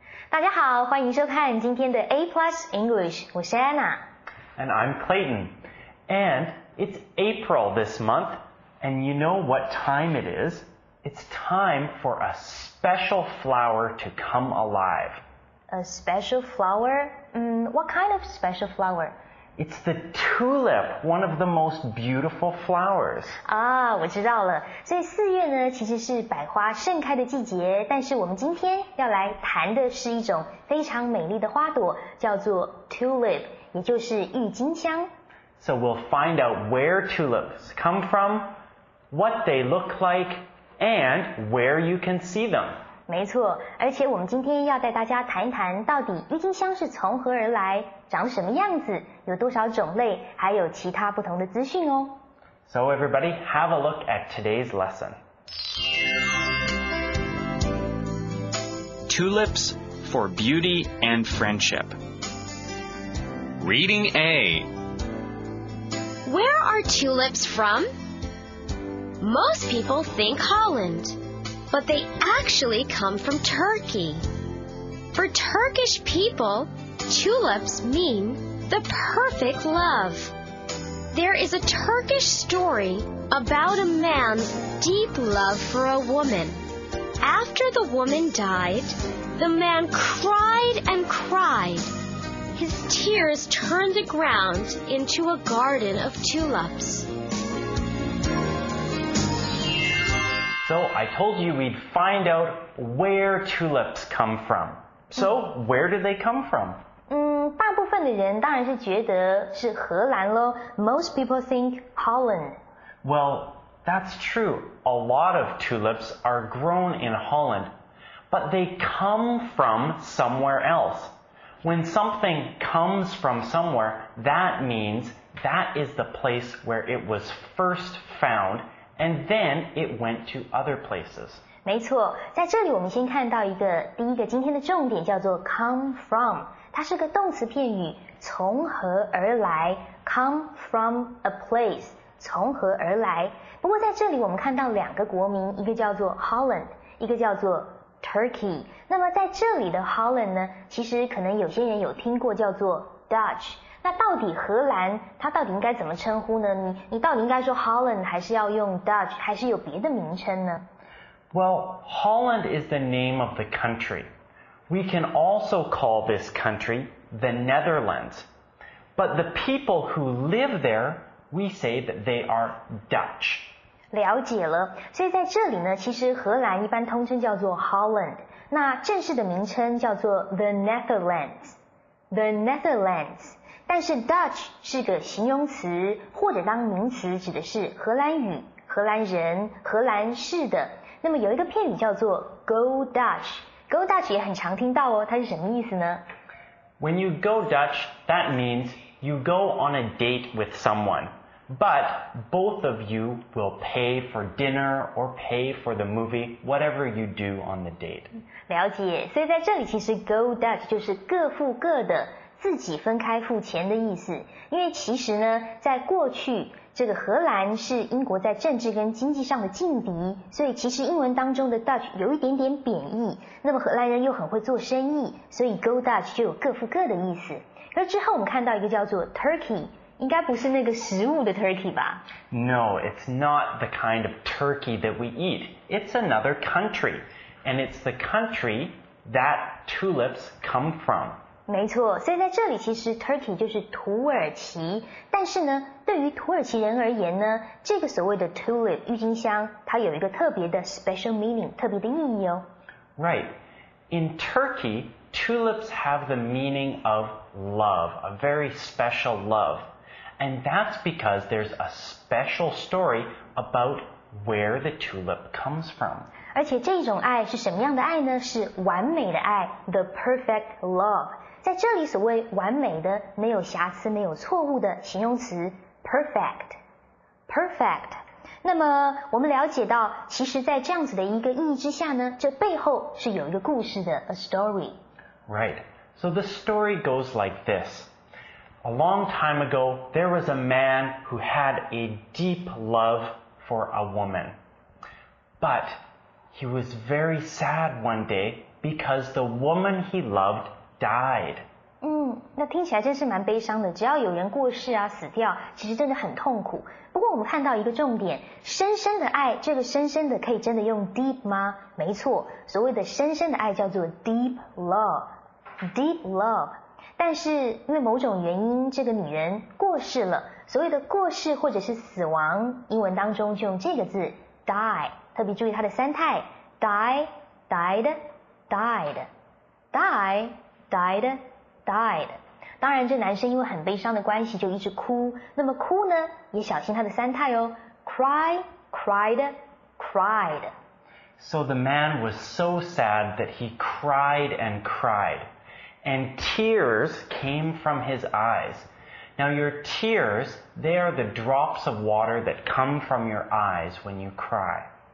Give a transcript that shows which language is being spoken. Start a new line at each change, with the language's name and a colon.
Chinese: 大家好，欢迎收看今天的 A Plus English， 我是 Anna。
English: And I'm Clayton. And it's April this month, and you know what time it is? It's time for a special flower to come alive. A special flower? What kind of special flower? It's the tulip, one of the most beautiful flowers.
Chinese: 啊，我知道了。所以四月呢，其实是百花盛开的季节。但是我们今天要来谈的是一种非常美丽的花朵，叫做 tulip， 也就是郁金香。
English: So we'll find out where tulips come from, what they look like, and where you can see them.
Chinese: 没错，而且我们今天要带大家谈谈到底郁金香是从何而来，长什么样子，有多少种类，还有其他不同的资讯哦。
English: So everybody, have a look at today's lesson. Tulips for beauty and friendship. Reading A. Where are tulips from? Most people think Holland. But they actually come from Turkey. For Turkish people, tulips mean the perfect love. There is a Turkish story about a man's deep love for a woman. After the woman died, the man cried and cried. His tears turned the ground into a garden of tulips. So, I told you we'd find out where tulips come from. So, where do they come from?
Chinese: 大部分的人当然是觉得是荷兰咯。
English: Most people think Holland. Well, that's true. A lot of tulips are grown in Holland. But they come from somewhere else. When something comes from somewhere, that means that is the place where it was first found. And then it went to other places.
Chinese: 没错，在这里我们先看到第一个今天的重点叫做
English: come from，
Chinese: 它是个动词片语，从何而来 ？
English: Come from a place，
Chinese: 从何而来？不过在这里我们看到两个国名，一个叫做 Holland， 一个叫做 Turkey。那么在这里的 Holland 呢，其实可能有些人有听过叫做 Dutch。那到底荷兰它到底应该怎么称呼呢？你到底应该说 Holland 还是要用 Dutch 还是有别的名称呢？
English: Well, Holland is the name of the country. We can also call this country the Netherlands. But the people who live there, we say that they are Dutch.
Chinese: 了解了，所以在这里呢，其实荷兰一般通称叫做 Holland， 那正式的名称叫做 the Netherlands。 The Netherlands， 但是 Dutch 是个形容词，或者当名词指的是荷兰语、荷兰人、荷兰式的。那么有一个片语叫做
English: Go Dutch，
Chinese: Go Dutch 也很常听到哦，它是什么意思呢？
English: When you go Dutch, that means you go on a date with someone, but both of you will pay for dinner or pay for the movie, whatever you do on the date.
Chinese: 了解，所以在这里其实
English: go Dutch
Chinese: 就是各付各的，自己分开付钱的意思。因为其实呢，在过去，这个荷兰是英国在政治跟经济上的劲敌，所以其实英文当中的 Dutch 有一点点贬义。那么荷兰人又很会做生意，所以 go Dutch 就有各付各的意思。而之后我们看到一个叫做 Turkey， 应该不是那个食物的 Turkey 吧？
English: No, it's not the kind of turkey that we eat. It's another country. And it's the country that tulips come from.
Chinese: 没错，所以在这里其实 Turkey 就是土耳其。但是呢，对于土耳其人而言呢，这个所谓的 tulip 郁金香，它有一个特别的
English: special meaning，
Chinese: 特别的意义哦。
English: Right. In Turkey, tulips have the meaning of love, a very special love. And that's because there's a special story about where the tulip comes from.
Chinese: 而且这种爱是什么样的爱呢？是完美的爱 ，
English: the perfect love。
Chinese: 在这里，所谓完美的，没有瑕疵、没有错误的形容词 ，perfect。
English: perfect。
Chinese: 那么我们了解到，其实，在这样子的一个意义之下呢，这背后是有一个故事的 ，
English: a story。 Right. So the story goes like this: A long time ago, there was a man who had a deep love for a woman, but He was very sad one day because the woman he loved died.
Chinese: 那听起来真是蛮悲伤的。只要有人过世啊，死掉，其实真的很痛苦。不过我们看到一个重点，深深的爱，这个深深的可以真的用 deep 吗？没错，所谓的深深的爱叫做
English: deep love，
Chinese: deep love。但是因为某种原因，这个女人过世了，所谓的过世或者是死亡，英文当中就用这个字 die， 特别注意它的三态
English: die， died， died， die， died。 Died，
Chinese: 当然这男生因为很悲伤的关系就一直哭，那么哭呢也小心他的三态哦，
English: cry， cried， cried。 So the man was so sad that he cried and cried and tears came from his eyes. Now your tears, they are the drops of water that come from your eyes when you cry.